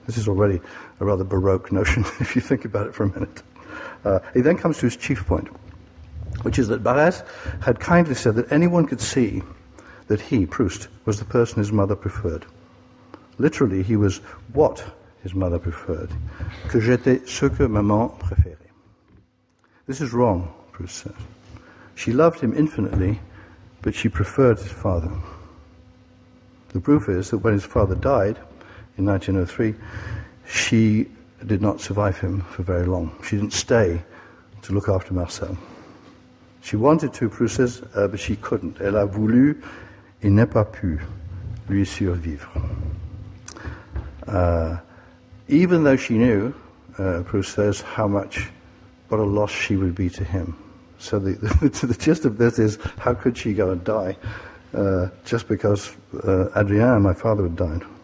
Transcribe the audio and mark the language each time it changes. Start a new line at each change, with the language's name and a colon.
English: This is already a rather Baroque notion if you think about it for a minute. He then comes to his chief point. which is that Barrès had kindly said that anyone could see that he, Proust, was the person his mother preferred. Literally, he was what his mother preferred.
French: Que j'étais ce que maman préférait.
English: This is wrong, Proust says. She loved him infinitely, but she preferred his father. The proof is that when his father died in 1903, she did not survive him for very long. She didn't stay to look after Marcel. She wanted to, Proust says, but she couldn't.
French: Elle a voulu et n'a pas pu lui survivre.
English: Even though she knew, Proust says, how much, what a loss she would be to him. So the gist of this is, how could she go and die just because Adrien, my father, had died?